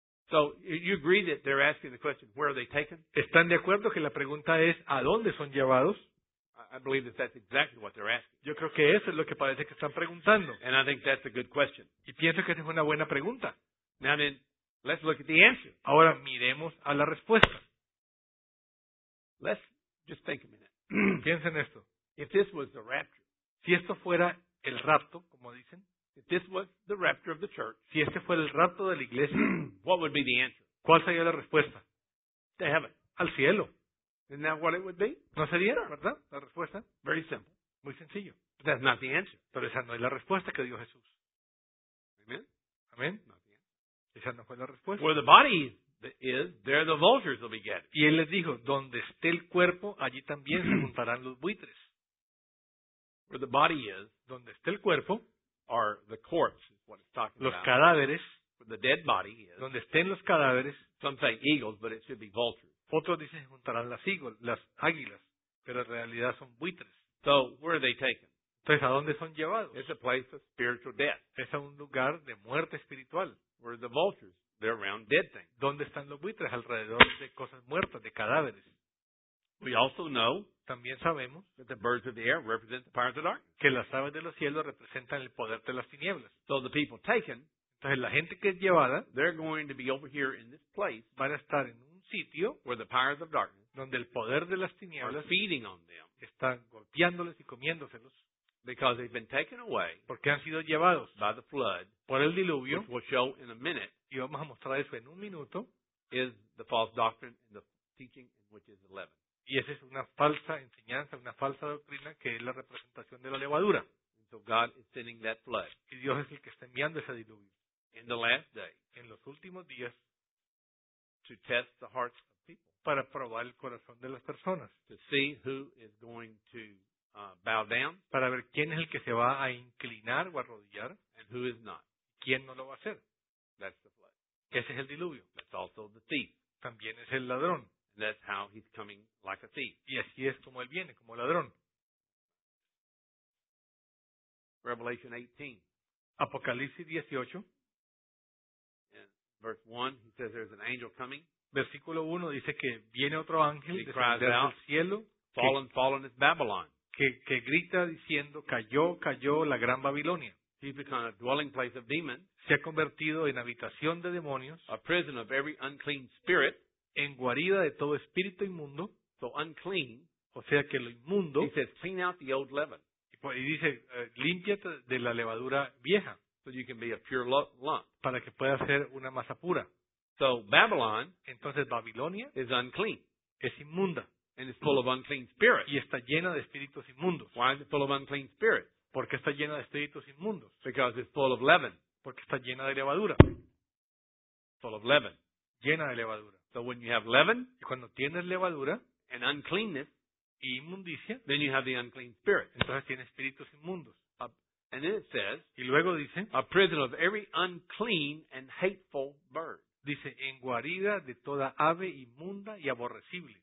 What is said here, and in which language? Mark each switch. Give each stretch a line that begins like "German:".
English: So, you agree that they're asking the question, where are they taken?
Spanish: ¿Están de acuerdo que la pregunta es, ¿a dónde son llevados?
English: I believe that that's exactly what they're asking.
Spanish: Yo creo que eso es lo que parece que están preguntando.
English: And I think that's a good question.
Spanish: Y pienso que es una buena pregunta.
English: Now then, let's look at the answer.
Spanish: Ahora, miremos a la respuesta.
English: Let's just think a minute.
Spanish: Piensa en esto.
English: If this was the rapture,
Spanish: si esto fuera el rapto, como dicen,
English: if this was the rapture of the church,
Spanish: si este fuera el rapto de la iglesia,
English: what would be the answer?
Spanish: ¿Cuál sería la respuesta?
English: To heaven.
Spanish: Al cielo.
English: Isn't that what it would be?
Spanish: ¿No sería, verdad, la respuesta?
English: Very simple.
Spanish: Muy sencillo.
English: But that's not the answer.
Spanish: Pero esa no es la respuesta que dio Jesús.
English: Amen.
Spanish: Amen.
English: Not the answer.
Spanish: Esa no fue la respuesta.
English: Where the body is, there the vultures will be gathered.
Spanish: Y él les dijo, donde esté el cuerpo, allí también se juntarán los buitres.
English: Where the body is,
Spanish: donde esté el cuerpo,
English: are the corpse, is what it's talking
Spanish: los
English: about.
Spanish: Cadáveres,
English: where the dead body is,
Spanish: donde estén los cadáveres,
English: some say eagles, but it should be vultures.
Spanish: Otros dicen que juntarán las águilas, pero en realidad son buitres.
English: So, where are they taken?
Spanish: Entonces, ¿a dónde son llevados?
English: It's a place of spiritual death.
Spanish: Es a un lugar de muerte espiritual.
English: Where are the vultures? They're around dead things.
Spanish: ¿Dónde están los buitres? Alrededor de cosas muertas, de cadáveres.
English: We also know
Spanish: también sabemos
English: that the birds of the air represent the power of the darkness.
Spanish: Que las aves de los cielos representan el poder de las tinieblas.
English: So the people taken,
Spanish: entonces la gente que es llevada,
English: they're going to be over here in this place,
Spanish: van a estar en un sitio
English: where the powers of darkness,
Spanish: donde el poder de las tinieblas,
English: are feeding on them,
Spanish: están golpeándoles y comiéndoselos,
English: because they've been taken away,
Spanish: porque han sido llevados,
English: by the flood,
Spanish: por el diluvio,
English: which we'll show in a minute,
Spanish: y vamos a mostrar eso en un minuto,
English: is the false doctrine and the teaching which is leaven.
Spanish: Y esa es una falsa enseñanza, una falsa doctrina que es la representación de la levadura.
English: So God is sending that flood.
Spanish: Y Dios es el que está enviando ese diluvio.
English: In the last day,
Spanish: en los últimos días,
English: to test the hearts of people,
Spanish: para probar el corazón de las personas,
English: to see who is going to bow down,
Spanish: para ver quién es el que se va a inclinar o arrodillar,
English: and who is not.
Spanish: Quién no lo va a hacer.
English: That's the flood.
Spanish: Ese es el diluvio.
English: That's also the thief.
Spanish: También es el ladrón.
English: That's how he's coming like a thief.
Spanish: Y así es como él viene, como ladrón.
English: Revelation 18.
Spanish: Apocalipsis 18.
English: Verse 1, he says there's an angel coming.
Spanish: Versículo 1 dice que viene otro ángel desde el cielo.
English: Fallen, fallen is Babylon.
Spanish: Que grita diciendo, cayó, cayó la gran Babilonia.
English: He's become a dwelling place of demons.
Spanish: Se ha convertido en habitación de demonios.
English: A prison of every unclean spirit.
Spanish: En guarida de todo espíritu inmundo.
English: So unclean.
Spanish: O sea que lo inmundo.
English: He says, clean out the old leaven.
Spanish: Y dice, límpiate de la levadura vieja.
English: So you can be a pure lump.
Spanish: Para que pueda ser una masa pura.
English: So Babylon,
Spanish: entonces Babilonia,
English: is unclean.
Spanish: Es inmunda.
English: And it's full of unclean spirits.
Spanish: Y está llena de espíritus inmundos.
English: Why is it full of unclean spirits?
Spanish: Porque está llena de espíritus inmundos.
English: Because it's full of leaven.
Spanish: Porque está llena de levadura.
English: Full of leaven.
Spanish: Llena de levadura.
English: So when you have leaven,
Spanish: y cuando tienes levadura,
English: and uncleanness,
Spanish: y inmundicia,
English: then you have the unclean spirit.
Spanish: Entonces tienes espíritus inmundos.
English: And then it says,
Spanish: y luego dice,
English: a prison of every unclean and hateful bird.
Spanish: Dice, en guarida de toda ave inmunda y aborrecible.